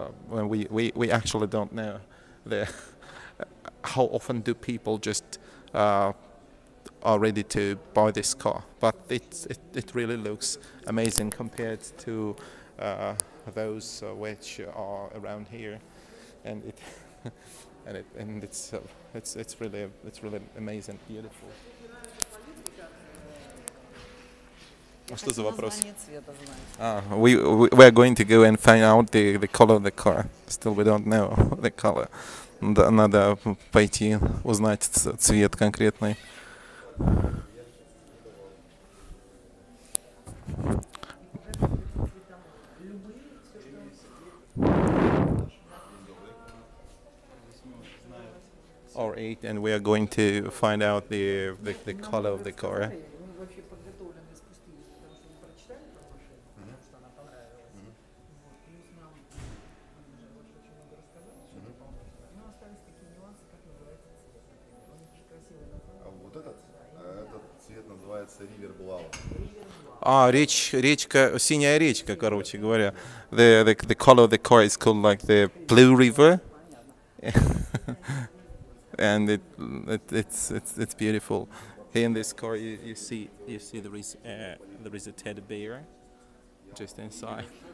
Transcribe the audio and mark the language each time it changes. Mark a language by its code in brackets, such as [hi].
[en] When we actually don't know the how often do people just are ready to buy this car, but it really looks amazing compared to those which are around here, and it's really amazing, beautiful. [ru] А что за вопрос? [en] We are going to go and find out the color of the car. Still we don't know the color. [ru] Надо пойти узнать цвет конкретный. [en] R8, and we are going to find out the color of the car. [ru] Речка, синяя речка, короче говоря. [en] The color of the car is called like the blue river. And it's beautiful. Here in this car you see there is a teddy bear just inside.